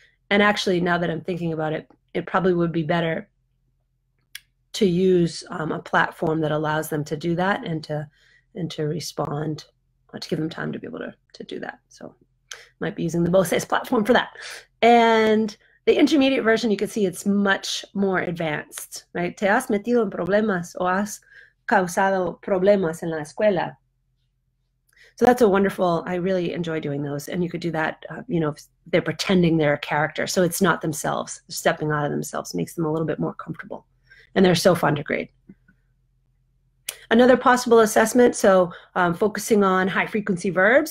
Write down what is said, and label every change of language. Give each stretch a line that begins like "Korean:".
English: And actually, now that I'm thinking about it, it probably would be better to use a platform that allows them to do that and to respond, to give them time to be able to do that. So I might be using the Voces platform for that. And the intermediate version, you can see it's much more advanced, right?
Spanish: ¿Te has metido en problemas o has causado problemas en la escuela?
English: So that's a wonderful, I really enjoy doing those. And you could do that, if they're pretending they're a character. So it's not themselves, stepping out of themselves makes them a little bit more comfortable. And they're so fun to grade. Another possible assessment, so focusing on high frequency verbs.